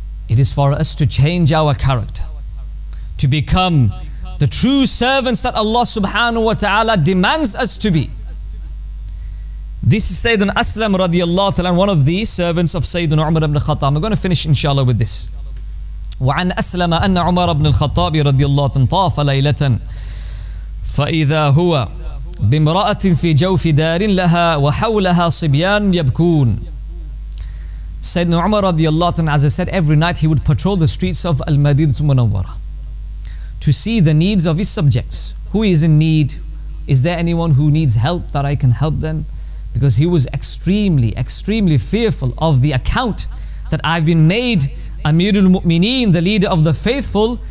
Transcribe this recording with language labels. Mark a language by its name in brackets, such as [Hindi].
[English] It is for us to change our character, to become the true servants that Allah subhanahu wa ta'ala demands us to be. This is Sayyidun Aslam radiallahu ta'ala, one of the servants of Sayyidun Umar ibn al-Khattab. I'm going to finish inshallah with this. [Arabic] وعن أسلم أن عمر بن الخطاب رضي الله عنه طاف ليلة فإذا هو بامرأة في جوف دار لها وحولها صبيان يبكون. سيدنا عمر رضي الله عنه, [English] as I said, every night he would patrol the streets of المدينة المنورة to see the needs of his subjects. Who is in need? Is there anyone who needs help that I can help them? Because he was extremely, extremely fearful of the account that I've been made Amir al-Mu'mineen, the leader of the faithful.